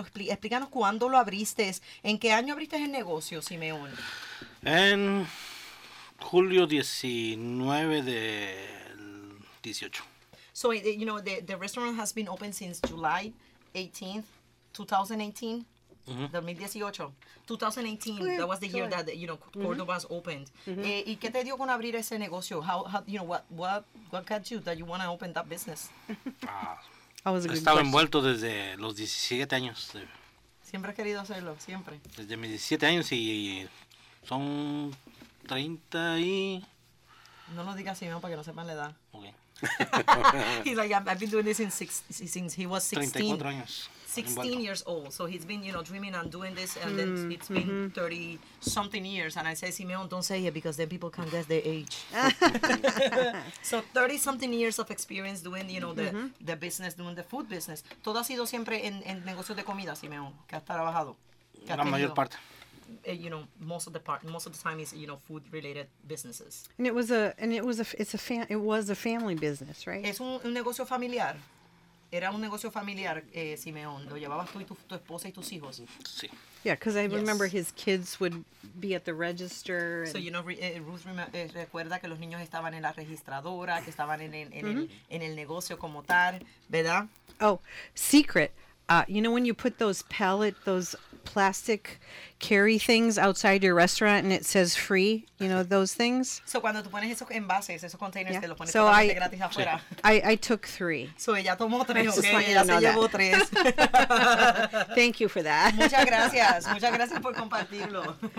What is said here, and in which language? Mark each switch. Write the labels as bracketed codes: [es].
[es] Explícanos cuándo lo abriste. ¿En qué año abriste el negocio, Simeon? En julio 19 del 18. [en] So, you know, the restaurant has been open since July 18th, 2018. Mm-hmm. 2018, that was the year that, you know, Cordoba's mm-hmm. opened. Mm-hmm. [es] ¿Y qué te dio con abrir ese negocio? [en] How, you know, what got you that you want to open that business? [es] Estaba envuelto desde los 17 años. Siempre he querido hacerlo, siempre. Desde mis 17 años y son 30 y... No lo digas así, para que no sepan la edad. [en] Okay. He's like, I've been doing this since he was 16. [es] 34 años. [en] 16 years old, so he's been, you know, dreaming and doing this, and then it's been 30-something years, and I say, Simeon, don't say it, because then people can guess their age. So 30-something years of experience doing, you know, the business, doing the food business. [es] ¿Todo ha sido siempre en negocios de comida, Simeon? ¿Qué has trabajado? La mayor parte. [en] You know, most of the time is, you know, food related businesses. And it was a family business, right? [es] Es un negocio familiar. Era un negocio familiar, Simeón. Lo llevabas tú y tu esposa y tus hijos. Sí. [en] Yeah, because I remember his kids would be at the register. And... [es] So, you know, Ruth recuerda que los niños estaban en la registradora, que estaban en el negocio como tal, ¿verdad? [en] Oh, secret. You know when you put those plastic carry things outside your restaurant and it says free, you know, those things? [es] So cuando tú pones esos envases, esos containers, te lo pones totalmente gratis afuera. [en] Sí. I took three. [es] So ella tomó tres, okay? Ella se llevó tres. [en] Thank you for that. [es] Muchas gracias por compartirlo.